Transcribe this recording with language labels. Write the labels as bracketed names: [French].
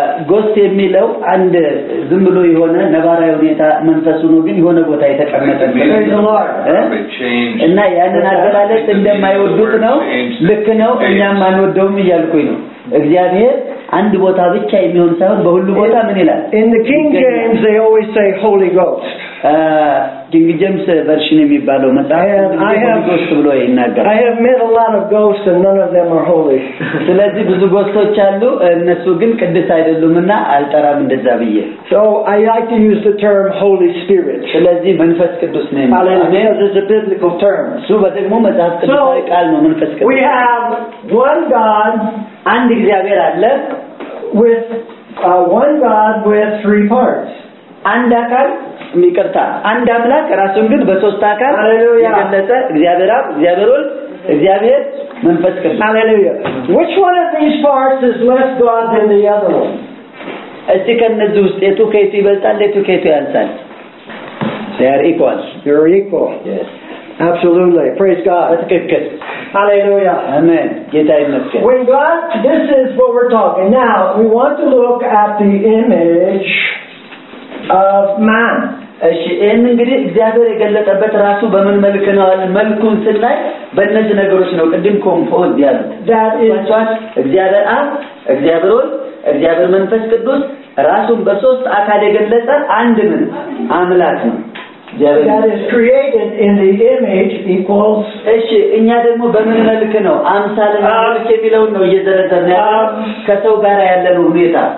[Amharic] Ghost የሚለው አንድ ዝም ብሎ የሆነ ነባራዊ ሁኔታ መንፈሱ ነው ግን የሆነ ቦታ የተቀመጠ ነው። እና ያንን አገላለጽ እንደማይወዱት ነው ልክ ነው እኛም አንወደውም ይያልኩኝ ነው። እግዚአብሔር አንድ ቦታ ብቻ የሚሆን ሳይሆን በሁሉ ቦታ ምን ይላል? [English] In the King James they always say Holy Ghost. [Amharic] King James version የሚባለው መጽሐፍ ghost ብሎ ይናገራል. [English] I have met a lot of ghosts and none of them are holy. [Amharic] ስለዚህ ብዙ ghosts አሉ እነሱ ግን ቅዱስ አይደሉምና አልጠራም እንደዛ ብዬ. [English] So I like to use the term Holy Spirit. [Amharic] ስለዚህ መንፈስ ቅዱስ ነው ማለት ነው. [English] It's a biblical term. [Amharic] ስለዚህ መጽሐፍ ቅዱስ ቃል ነው መንፈስ ቅዱስ. [English] We have one God. [Amharic] አንድ እግዚአብሔር አለ. [English] With one God with three parts. [Amharic] አንድ አካል ሚቀርታ አንድ አምላክ ራሱን ግን በሶስት አካል ሃሌሉያ የገለጠ እግዚአብሔር አብ እግዚአብሔር ወልድ እግዚአብሔር መንፈስ ቅዱስ ሃሌሉያ. [English] Which one of these parts is less God than the other one? እዚህ ከነዚህ ውስጥ የቱ ከየቱ ይበልጣል የቱ ከየቱ ያንሳል? They are equal. You're equal. Yes. Absolutely. Praise God. That's Hallelujah. Amen. Get out of here. When God, this is what we're talking. Now, we want to look at the image of man. [Amharic] እንግዲህ እግዚአብሔር የገለጠበት ራሱ በምን መልኩ ነው አለ? መልኩን ስለላይ በእነዚህ ነገሮች ነው ቅድም ኮምፖዝ ያለው. [English] That is [Amharic] what እግዚአብሔር አብ እግዚአብሔር እግዚአብሔር መንፈስ ቅዱስ ራሱን በሶስት አካል የገለጠ አንድ ምን አምላክ ነው. [English] That is created in the image equals [Amharic] እሺ እኛ ደግሞ በምን መልኩ ነው አምሳል መልክ የሚለው ነው እየደረደረ ያለው ከሰው ጋር ያለው ሁኔታ